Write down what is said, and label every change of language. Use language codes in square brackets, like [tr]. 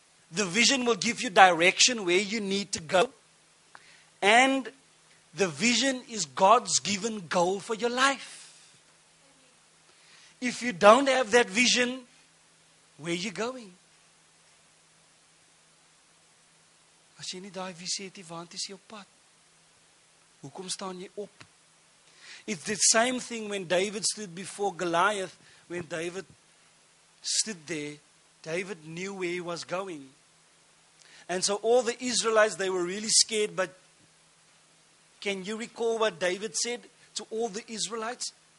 [en] The vision will give you direction where you need to go. And the vision is God's given goal for your life. If you don't have that vision, where are you going? [af] As jy nie daai visie het, waar is jou pad? Hoekom staan jy op? [en] It's the same thing when David stood before Goliath. When David stood there, David knew where he was going. And so all the Israelites, they were really scared. But can you recall what David said to all the Israelites?